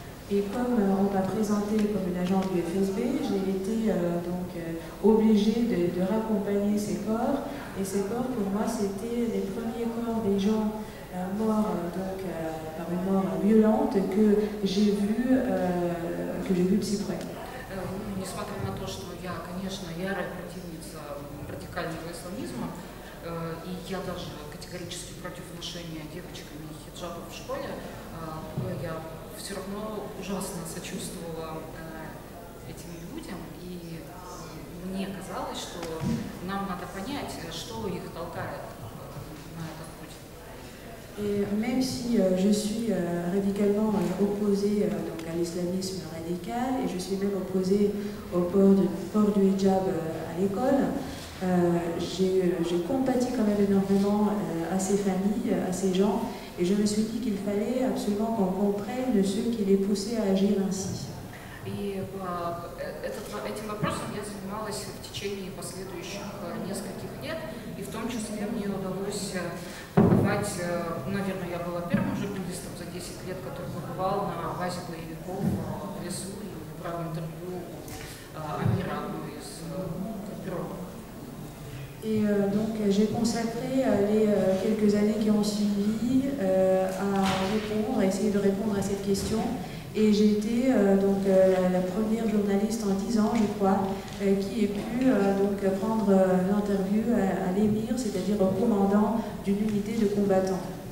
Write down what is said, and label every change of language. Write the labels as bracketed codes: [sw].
[fr] Et comme on m'a présenté comme une agent du FSB, j'ai été obligée de raccompagner ces corps. Et ces corps, pour moi, c'était les premiers corps des gens morts par une mort violente que j'ai vu de si près. [ru] Несмотря на то, что я, конечно, ярая противница радикального исламизма, и я даже категорически против ношения девочками хиджабов в школе, я все равно ужасно сочувствовала этим людям, и мне казалось, что нам надо понять, что их толкает на этот путь. [fr] Même si je suis radicalement opposée à l'islamisme radical, et je suis même opposée au port du hijab à l'école, j'ai compati quand même énormément à ces familles, à ces gens, et je me suis dit qu'il fallait absolument qu'on comprenne ceux qui les poussaient à agir ainsi. Et [ru] этим вопросом я занималась в течение последующих нескольких лет, и в том числе мне удалось побывать, наверное, я была первым журналистом за 10 лет, который побывал на базе боевиков в лесу и брал интервью Амира, одну из группировок. [fr] Et donc j'ai consacré les quelques années qui ont suivi à répondre, à essayer de répondre à cette question. Et j'ai été la première journaliste en 10 ans, je crois, qui ait pu prendre l'interview à l'émir, c'est-à-dire au commandant d'une unité de combattants.